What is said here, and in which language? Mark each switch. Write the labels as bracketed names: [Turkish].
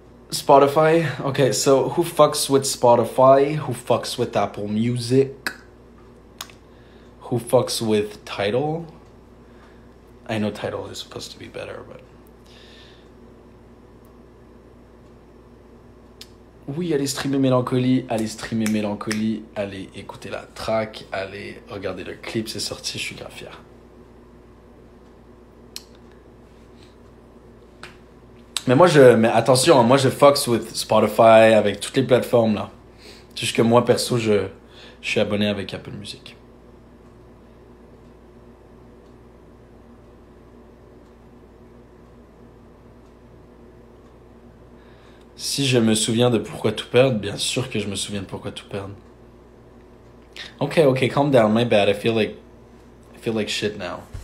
[English] Spotify? Okay, so who fucks with Spotify? Who fucks with Apple Music? Who fucks with Tidal? I know Tidal is supposed to be better, but. [French] Oui, allez streamer Mélancolie, allez streamer Mélancolie, allez écouter la track, allez regarder le clip, c'est sorti, je suis grave fier. Mais attention, moi je [English] fucks with Spotify, [French] avec toutes les plateformes là. Juste que moi perso, je suis abonné avec Apple Music. Si je me souviens de pourquoi tout perdre, bien sûr que je me souviens de pourquoi tout perdre. [English] Ok, calm down, my bad, I feel like shit now.